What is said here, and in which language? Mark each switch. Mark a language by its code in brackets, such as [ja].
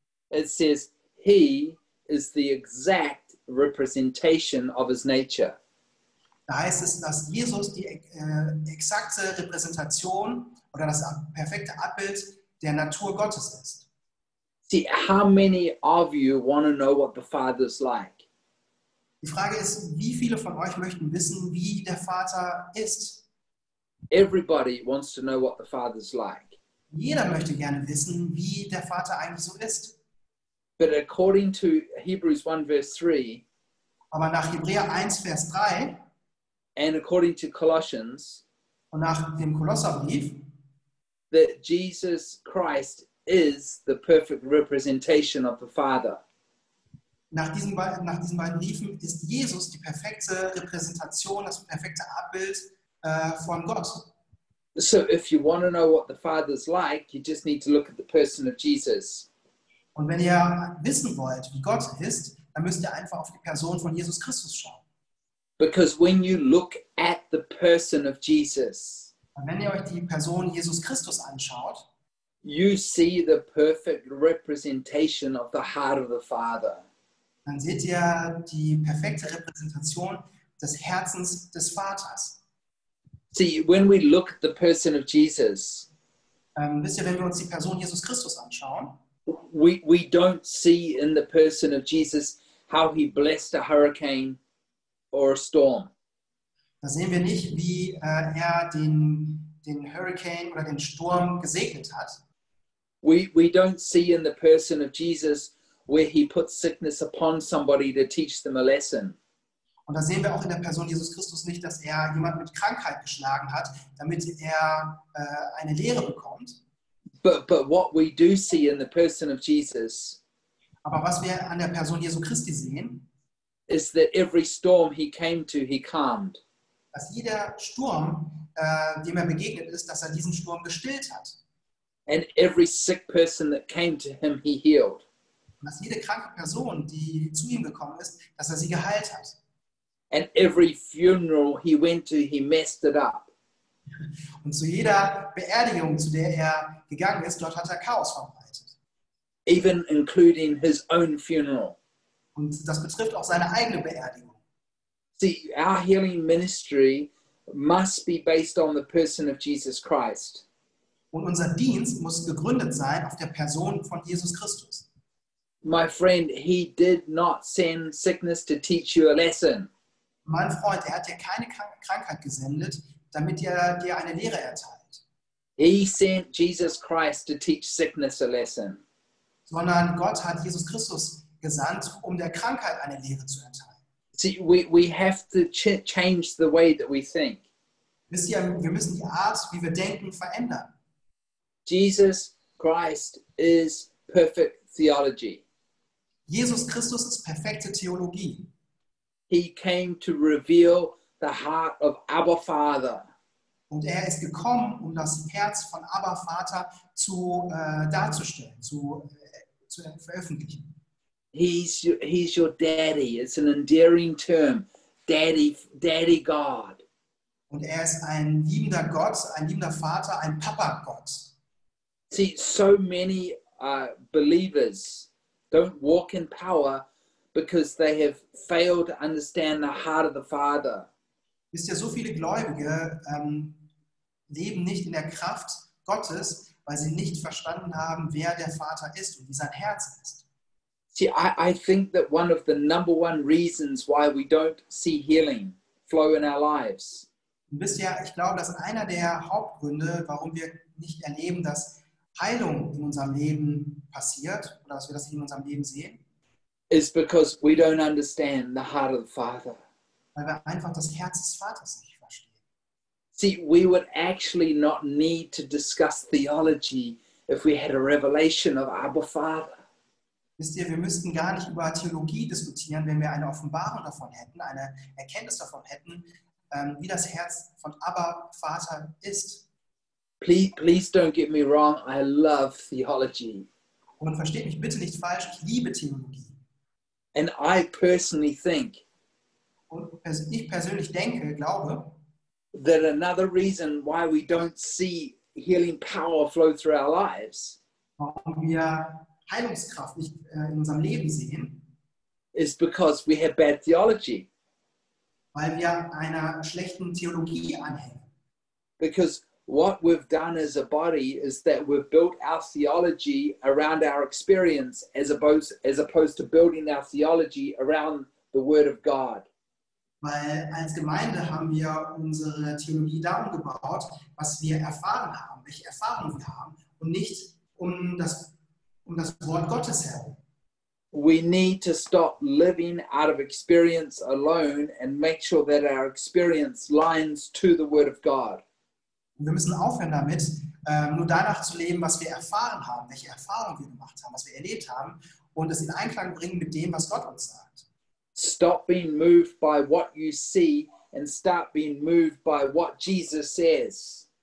[en] it says he is the exact representation of his nature. [de] Da heißt es, dass Jesus die exakte Repräsentation oder das perfekte Abbild der Natur Gottes ist. [en] See, how many of you want to know what the Father is like? [de] Die Frage ist, wie viele von euch möchten wissen, wie der Vater ist? [en] Everybody wants to know what the Father is like. [de] Jeder möchte gerne wissen, wie der Vater eigentlich so ist. [en] But according to Hebrews 1 verse 3, [de] aber nach Hebräer 1 Vers 3, [en] and according to Colossians, [de] und nach dem Kolosserbrief, [en] that Jesus Christ is the perfect representation of the Father. [de] Nach diesen beiden Briefen ist Jesus die perfekte Repräsentation, das perfekte Abbild von Gott. [en] So if you want to know what the Father is like, you just need to look at the person of Jesus. [de] Und wenn ihr wissen wollt, wie Gott ist, dann müsst ihr einfach auf die Person von Jesus Christus schauen. [en] Because when you look at the person of Jesus, [de] und wenn ihr euch die Person Jesus Christus anschaut, [en] you see the perfect representation of the heart of the Father. [de] Dann seht ihr die perfekte Repräsentation des Herzens des Vaters. [en] See, when we look at the person of Jesus, [de] wisst ihr, wenn wir uns die Person Jesus Christus anschauen, [en] We don't see in the person of Jesus how he blessed a hurricane or a storm. [de] Da sehen wir nicht, wie er den Hurricane oder den Sturm gesegnet hat. [en] We don't see in the person of Jesus where he puts sickness upon somebody to teach them a lesson. [de] Und da sehen wir auch in der Person Jesus Christus nicht, dass er jemand mit Krankheit geschlagen hat, damit er eine Lehre bekommt. [en] But what we do see in the person of Jesus, [de] aber was wir an der Person Jesu Christi sehen, [en] is that every storm he came to, he calmed. [de] Dass jeder Sturm, dem er begegnet ist, dass er diesen Sturm gestillt hat. [en] And every sick person that came to him, he healed. [de] Und dass jede kranke Person, die zu ihm gekommen ist, dass er sie geheilt hat. [en] And every funeral he went to, he messed it up. [de] Und zu jeder Beerdigung, zu der er gegangen ist, dort hat er Chaos verbreitet. [en] Even including his own funeral. [de] Und das betrifft auch seine eigene Beerdigung. [en] See, our healing ministry must be based on the person of Jesus Christ. [de] Und unser Dienst muss gegründet sein auf der Person von Jesus Christus. [en] My friend, he did not send sickness to teach you a lesson. [de] Mein Freund, er hat dir keine Krankheit gesendet, damit er dir eine Lehre erteilt. [en] He sent Jesus Christ to teach sickness a lesson. [de] Sondern Gott hat Jesus Christus gesandt, um der Krankheit eine Lehre zu erteilen. [en] See, we have to change the way that we think. [de] Wisst ihr, wir müssen die Art, wie wir denken, verändern. [en] Jesus Christ is perfect theology. [de] Jesus Christus ist perfekte Theologie. [en] He came to reveal the heart of Abba Father. [de] Und er ist gekommen, um das Herz von Abba Vater zu darzustellen, zu veröffentlichen. [en] He's your daddy. It's an endearing term. Daddy God. [de] Und er ist ein liebender Gott, ein liebender Vater, ein Papa Gott. [en] See, so many believers don't walk in power because they have failed to understand the heart of the Father. [de] Wisst ihr, so viele Gläubige leben nicht in der Kraft Gottes, weil sie nicht verstanden haben, wer der Vater ist und wie sein Herz ist. [en] See, I think that one of the number one reasons why we don't see healing flow in our lives. [de] Wisst ihr, ich glaube, dass einer der Hauptgründe, warum wir nicht erleben, dass Heilung in unserem Leben passiert oder dass wir das in unserem Leben sehen, [en] is because we don't understand the heart of the Father. [de] Weil wir einfach das Herz des Vaters nicht verstehen. [en] See, we would actually not need to discuss theology if we had a revelation of Abba Father. [de] Wisst ihr, wir müssten gar nicht über Theologie diskutieren, wenn wir eine Offenbarung davon hätten, eine Erkenntnis davon hätten, wie das Herz von Abba Vater ist. [en] Please don't get me wrong. I love theology. [de] Und versteht mich bitte nicht falsch. Ich liebe Theologie. [en] And I personally think. [de] Und ich persönlich denke, glaube. [en] That another reason why we don't see healing power flow through our lives. [de] Warum wir Heilungskraft nicht in unserem Leben sehen. [en] Is because we have bad theology. [de] Weil wir einer schlechten Theologie anhängen. [en] Because what we've done as a body is that we've built our theology around our experience as opposed to building our theology around the Word of God. [de] Weil als Gemeinde haben wir unsere Theologie darum gebaut, was wir erfahren haben, welche Erfahrungen wir haben, und nicht um das Wort Gottes herum. [en] We need to stop living out of experience alone and make sure that our experience lines to the Word of God. [de] Wir müssen aufhören damit, nur danach zu leben, was wir erfahren haben, welche Erfahrungen wir gemacht haben, was wir erlebt haben, und es in Einklang bringen mit dem, was Gott uns sagt. [en] Stop being moved by what you see and start being moved by what Jesus says.